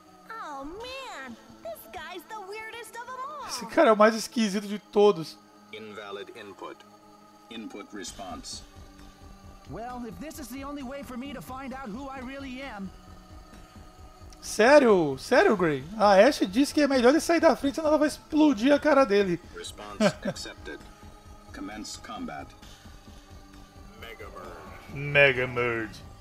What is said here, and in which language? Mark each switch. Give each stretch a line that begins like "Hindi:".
English: Oh man, this guy's the weirdest of them all.
Portuguese: Esse cara é o mais esquisito de todos.
English: Invalid input. Input response. Well, if this is the only way for me to find out who I really am.
Portuguese: Sério? Sério, Gray? A Ashe disse que é melhor ele sair da frente, senão ela vai explodir a cara dele.
English: Response accepted. Commence combat. Mega Merge. Mega Merge.